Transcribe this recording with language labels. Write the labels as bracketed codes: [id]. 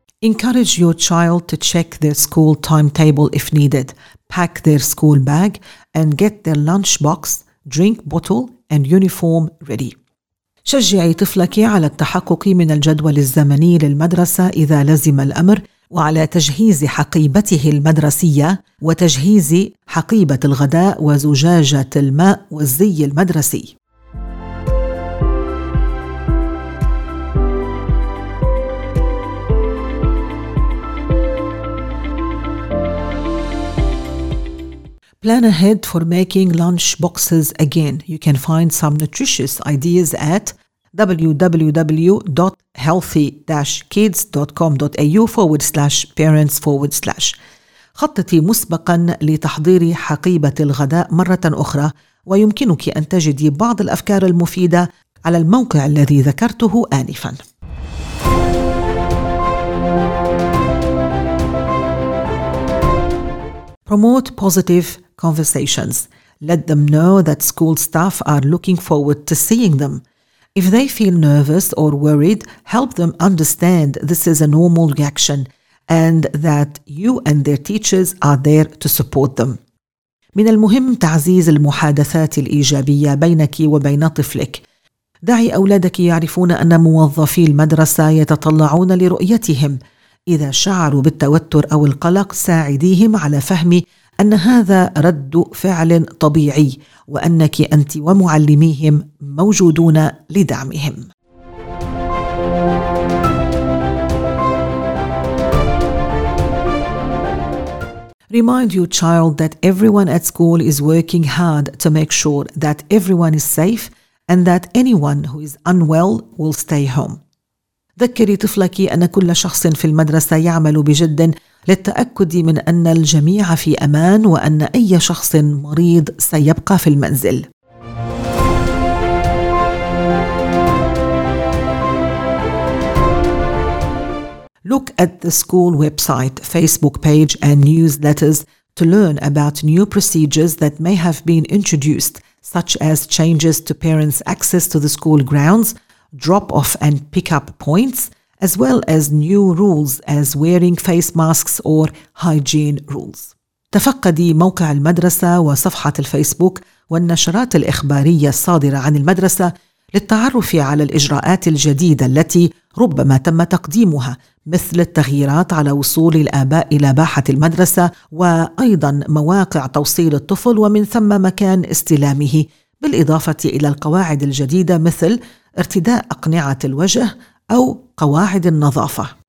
[en] Encourage your child to check their school timetable if needed, pack their school bag, and get their lunchbox, drink bottle, and uniform ready. [ar] شجعي طفلك على التحقق من الجدول الزمني للمدرسة إذا لزم الأمر وعلى تجهيز حقيبته المدرسية وتجهيز حقيبة الغداء وزجاجة الماء والزي المدرسي. [en] Plan ahead for making lunch boxes again. You can find some nutritious ideas at www.healthy-kids.com.au/parents/. [ar] خططي مسبقا لتحضير حقيبة الغداء مرة أخرى ويمكنك أن تجدي بعض الأفكار المفيدة على الموقع الذي ذكرته آنفا. [en] Promote positive conversations. Let them know that school staff are looking forward to seeing them. If they feel nervous or worried, help them understand this is a normal reaction and that you and their teachers are there to support them. [ar] من المهم تعزيز المحادثات الإيجابية بينك وبين طفلك. دعي أولادك يعرفون أن موظفي المدرسة يتطلعون لرؤيتهم. إذا شعروا بالتوتر أو القلق ساعديهم على فهم أن هذا رد فعل طبيعي وأنك أنت ومعلميهم موجودون لدعمهم. [en] Remind your child that everyone at school is working hard to make sure that everyone is safe and that anyone who is unwell will stay home. [ar] ذكري طفلك أن كل شخص في المدرسة يعمل بجد للتأكد من أن الجميع في أمان وأن أي شخص مريض سيبقى في المنزل. [en] Look at the school website, Facebook page and newsletters to learn about new procedures that may have been introduced, such as changes to parents' access to the school grounds, drop-off and pick-up points, as well as new rules as wearing face masks or hygiene rules. [ar] تفقدي موقع المدرسة وصفحة الفيسبوك والنشرات الإخبارية الصادرة عن المدرسة للتعرف على الإجراءات الجديدة التي ربما تم تقديمها مثل التغييرات على وصول الآباء إلى باحة المدرسة وأيضا مواقع توصيل الطفل ومن ثم مكان استلامه بالإضافة إلى القواعد الجديدة مثل ارتداء أقنعة الوجه أو قواعد النظافة.